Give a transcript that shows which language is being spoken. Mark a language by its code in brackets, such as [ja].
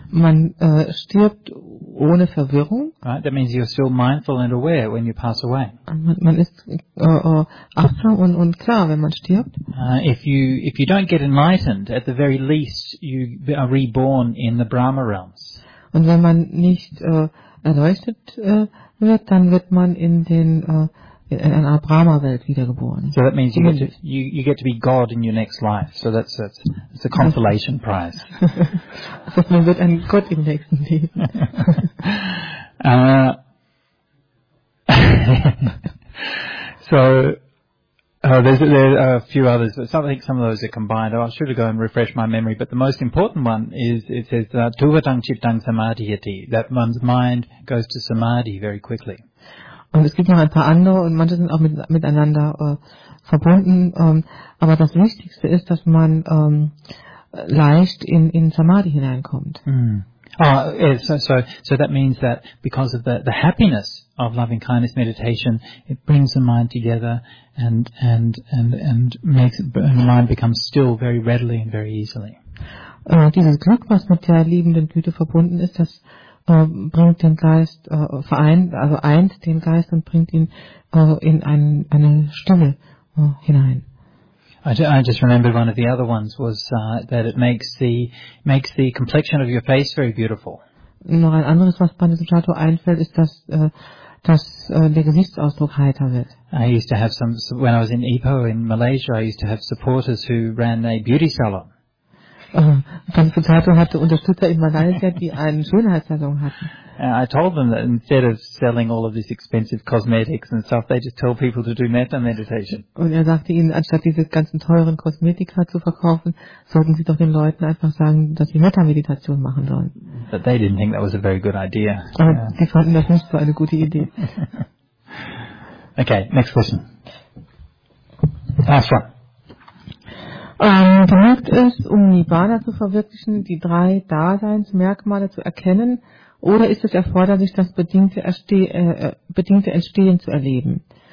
[de] Man stirbt ohne Verwirrung. [en] Right, that means you're still mindful and aware when you pass away. [de] Man ist achtsam und klar, wenn man stirbt. [en] If you don't get enlightened, at the very least you are reborn in the Brahma realms. [de] Und wenn man nicht erleuchtet wird, dann wird man in einer Brahma-Welt wiedergeboren. [en] So that means you get to be God in your next life. So that's a consolation prize. [de] So man wird ein Gott im nächsten Leben. [en] So there are a few others. I think some of those are combined. Oh, I should go and refresh my memory. But the most important one is, it says, [pi] Tuvatang Chittang Samadhiyati. [en] That one's mind goes to Samadhi very quickly. [de] Und es gibt noch ein paar andere und manche sind auch miteinander verbunden. Aber das Wichtigste ist, dass man leicht in Samadhi hineinkommt. Mm. [en] So that means that because of the happiness of loving kindness meditation, it brings the mind together and makes the mind become still very readily and very easily. [de] Dieses Glück, was mit der liebenden Güte verbunden ist, das bringt den Geist eint den Geist und bringt ihn in eine Stille hinein. [en] I just remembered one of the other ones was that it makes the complexion of your face very beautiful. [de] Noch ein anderes, was Bandhisattva einfällt, ist dass der Gesichtsausdruck heiter wird. [en] I used to have some when I was in Ipoh in Malaysia. I used to have supporters who ran a beauty salon. [de] Bandhisattva hatte Unterstützer in Malaysia, die einen Schönheitssalon hatten. [en] I told them that instead of selling all of these expensive cosmetics and stuff, they just tell people to do metta meditation. [de] Und er sagte ihnen, anstatt diese ganzen teuren Kosmetika zu verkaufen, sollten sie doch den Leuten einfach sagen, dass sie Metta-Meditation machen sollen. [en] But they didn't think that was a very good idea. [de] Sie fanden das nicht so eine gute Idee. [en] Okay, next question. Last one. [de] Gemerkt ist, um Nibbana zu verwirklichen, die drei Daseinsmerkmale zu erkennen, oder ist es erforderlich, das bedingte Entstehen zu erleben?